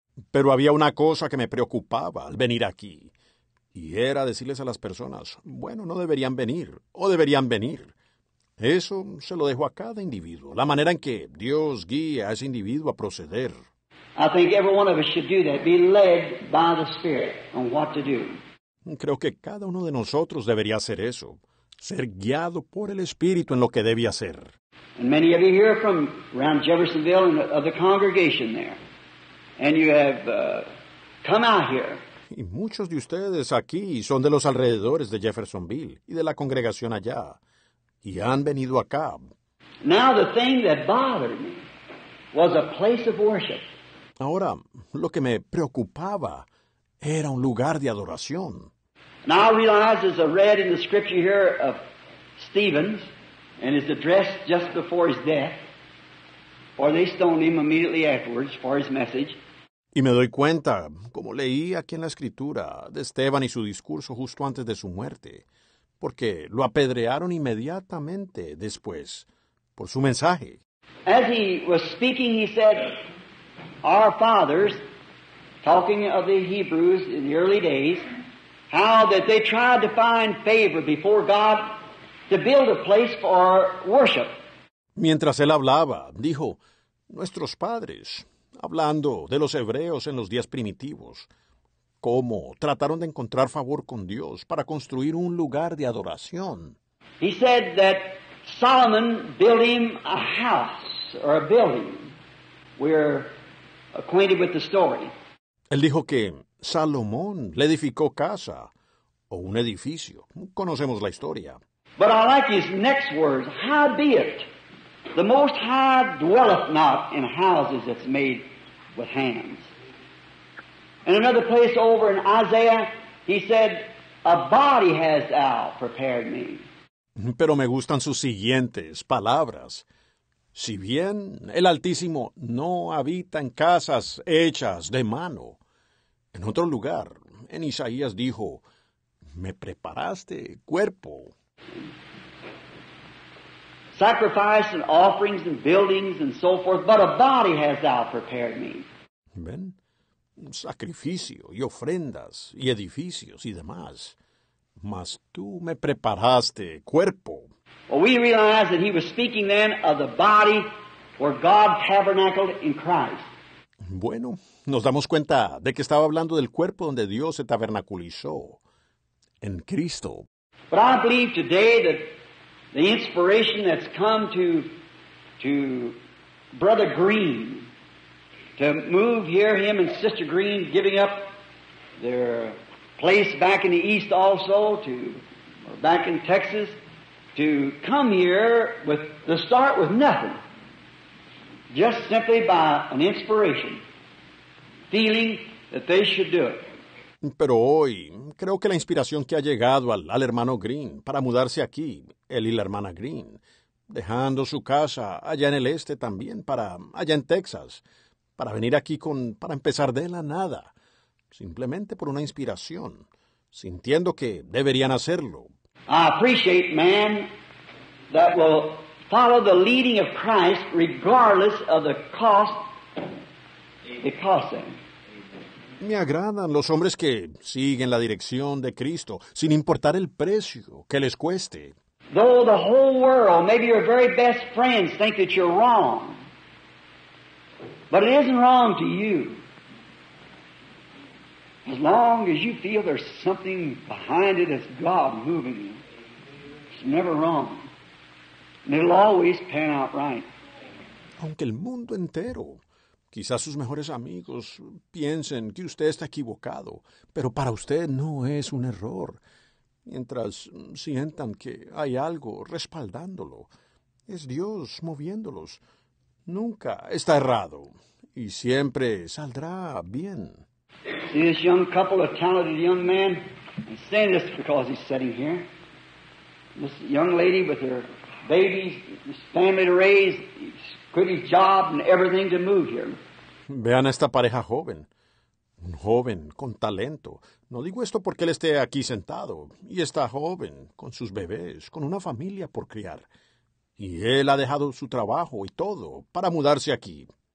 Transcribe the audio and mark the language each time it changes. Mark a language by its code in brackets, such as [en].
[es] Pero había una cosa que me preocupaba al venir aquí, y era decirles a las personas, bueno, no deberían venir, o deberían venir. Eso se lo dejo a cada individuo, la manera en que Dios guía a ese individuo a proceder. [en] I think every one of us should do that, be led by the Spirit on what to do. [es] Creo que cada uno de nosotros debería hacer eso, ser guiado por el Espíritu en lo que debe hacer. [en] And many of you here from around Jeffersonville and of the congregation there, and you have come out here. [es] Y muchos de ustedes aquí son de los alrededores de Jeffersonville y de la congregación allá, y han venido acá. [en] Now the thing that bothered me was a place of worship. [es] Ahora, lo que me preocupaba era un lugar de adoración. [en] Now I realize, as I read in the scripture here of Stephen's and his address just before his death, or they stoned him immediately afterwards for his message. [es] Y me doy cuenta, como leí aquí en la escritura de Esteban y su discurso justo antes de su muerte, porque lo apedrearon inmediatamente después por su mensaje. [en] As he was speaking, he said, our fathers, talking of the Hebrews in the early days, how that they tried to find favor before God to build a place for worship. [es] Mientras él hablaba, dijo, nuestros padres, hablando de los hebreos en los días primitivos, cómo trataron de encontrar favor con Dios para construir un lugar de adoración. [en] He said that Solomon built him a house or a building. We're acquainted with the story. [es] Él dijo que Salomón le edificó casa o un edificio. Conocemos la historia. [en] But I like his next words. Howbeit, the Most High dwelleth not in houses that's made with hands. In another place over in Isaiah, he said, a body has thou prepared me. [es] Pero me gustan sus siguientes palabras. Si bien el Altísimo no habita en casas hechas de mano. En otro lugar, en Isaías dijo, me preparaste cuerpo. [en] Sacrifice and offerings and buildings and so forth, but a body has thou prepared me. [es] ¿Ven? Sacrificio y ofrendas y edificios y demás. Mas tú me preparaste cuerpo. [en] Well, we realize that he was speaking then of the body where God tabernacled in Christ. [es] Bueno, nos damos cuenta de que estaba hablando del cuerpo donde Dios se tabernaculizó, en Cristo. [en] But I believe today that the inspiration that's come to Brother Green to move here, him and Sister Green giving up their place back in the East also, to or back in Texas, to come here with to start with nothing. Just simply by an inspiration, feeling that they should do it. [es] Pero hoy, creo que la inspiración que ha llegado al hermano Green para mudarse aquí, él y la hermana Green, dejando su casa allá en el este también, para allá en Texas, para venir aquí para empezar de la nada, simplemente por una inspiración, sintiendo que deberían hacerlo. [en] I appreciate man that will follow the leading of Christ regardless of the cost it costs them. [es] Me agradan los hombres que siguen la dirección de Cristo sin importar el precio que les cueste. [en] Though the whole world, maybe your very best friends, think that you're wrong. But it isn't wrong to you. As long as you feel there's something behind it, it's God moving you. It's never wrong. And it'll always pan out right. [es] Aunque el mundo entero, quizás sus mejores amigos piensen que usted está equivocado, pero para usted no es un error. Mientras sientan que hay algo respaldándolo, es Dios moviéndolos. Nunca está errado y siempre saldrá bien. [en] See this young couple, a talented young man, I'm saying this because he's sitting here. This young lady with her babies, his family to raise, quit his job and everything to move here. [es] Vean a esta pareja joven, un joven con talento. No digo esto porque él esté aquí sentado, y está joven, con sus bebés, con una familia por criar. Y él ha dejado su trabajo y todo para mudarse aquí.